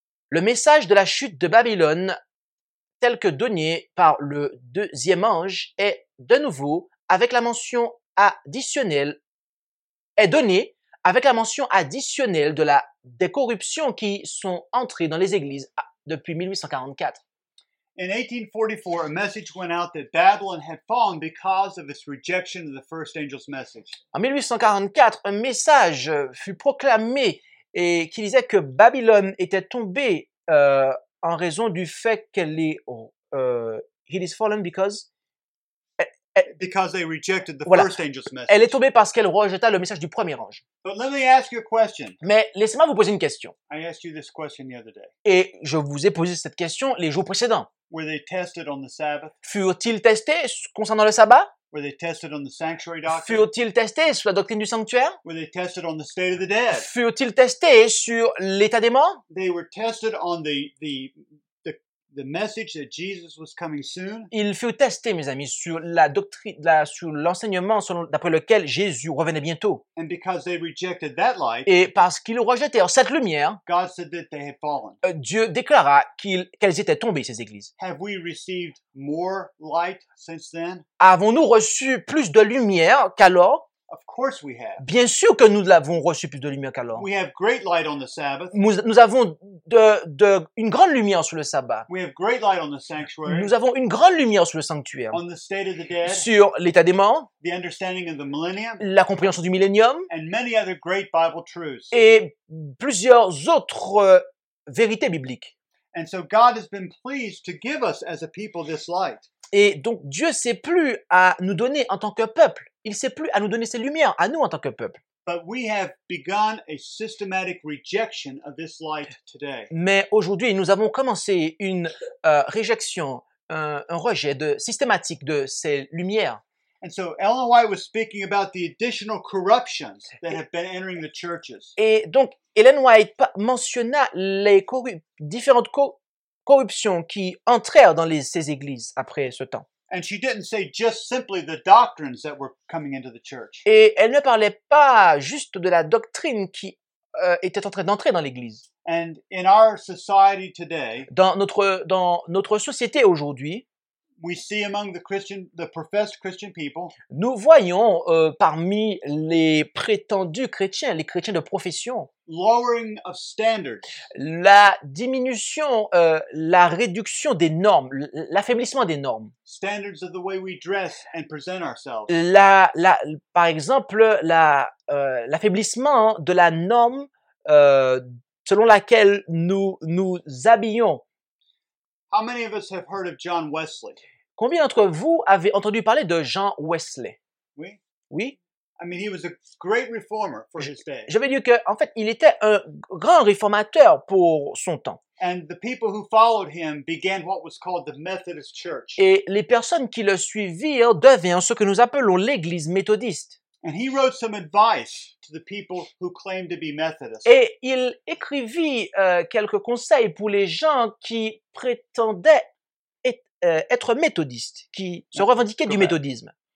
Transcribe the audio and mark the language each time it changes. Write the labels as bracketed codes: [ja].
[fr] le message de la chute de Babylone tel que donné par le deuxième ange est de nouveau avec la mention additionnel est donné avec la mention additionnelle de la des corruptions qui sont entrées dans les églises depuis 1844. [en] In 1844, a message went out that Babylon had fallen because of its rejection of the first angel's message. [fr] En 1844, un message fut proclamé et qui disait que Babylone était tombée en raison du fait qu'elle est [en] he is fallen because because they rejected the first angel's message. [fr] Elle est tombée parce qu'elle rejeta le message du premier ange. [en] But let me ask you a question. [fr] Mais laissez-moi vous poser une question. [en] I asked you this question the other day. [fr] Et je vous ai posé cette question les jours précédents. [en] Were they tested on the Sabbath? [fr] Furent-ils testés concernant le sabbat? [en] Were they tested on the sanctuary doctrine? [fr] Furent-ils testés sur la doctrine du sanctuaire? [en] Were they tested on the state of the dead? [fr] Furent-ils testés sur l'état des morts? [en] They were tested on the message that Jesus was coming soon. [fr] Il fut testé, mes amis, sur la doctrine, sur l'enseignement d'après lequel Jésus revenait bientôt. [en] And because they rejected that light, [fr] et parce qu'ils rejetaient cette lumière, [en] God said that they had fallen. [fr] Dieu déclara qu'elles étaient tombées, ces églises. [en] Have we received more light since then? [fr] Avons-nous reçu plus de lumière qu'alors? [en] Of course we have. [fr] Bien sûr que nous l'avons reçu plus de lumière qu'alors. [en] We have great light on the Sabbath. [fr] Nous avons une grande lumière sur le sabbat. [en] We have great light on the sanctuary. [fr] Nous avons une grande lumière sur le sanctuaire. [en] On the state of the dead. [fr] Sur l'état des morts. [en] The understanding of the millennium. [fr] La compréhension du millénium. [en] And many other great Bible truths. [fr] Et plusieurs autres vérités bibliques. [en] And so God has been pleased to give us as a people this light. [fr] Et donc Dieu s'est plu à nous donner en tant que peuple. Il s'est plu à nous donner ses lumières, à nous en tant que peuple. [en] But we have begun a systematic rejection of this light today. [fr] Mais aujourd'hui, nous avons commencé une réjection, un rejet systématique de ces lumières. [en] And so Ellen White was speaking about the additional corruptions that have been entering the churches. [fr] Et donc Ellen White mentionna les différentes corruptions qui entrèrent dans ces églises après ce temps. [en] And she didn't say just simply the doctrines that were coming into the church. [fr] Et elle ne parlait pas juste de la doctrine qui était en train d'entrer dans l'église. [en] And in our society today, [fr] dans notre société aujourd'hui, [en] we see among the professed Christian people, [fr] nous voyons parmi les prétendus chrétiens, les chrétiens de profession, [en] lowering of standards, [fr] la diminution, la réduction des normes, l'affaiblissement des normes, [en] standards of the way we dress and present ourselves, [fr] par exemple, l'affaiblissement de la norme selon laquelle nous habillons. [en] How many of us have heard of John Wesley? [fr] Combien d'entre vous avez entendu parler de John Wesley? Oui. Oui. [en] I mean, he was a great reformer for his day. [fr] Je veux dire que, en fait, il était un grand réformateur pour son temps. [en] And the people who followed him began what was called the Methodist Church. [fr] Et les personnes qui le suivirent devinrent ce que nous appelons l'Église méthodiste. [en] And he wrote some advice to the people who claimed to be Methodists. [fr] Et il écrivit quelques conseils pour les gens qui prétendaient être méthodiste, qui se revendiquait du méthodisme.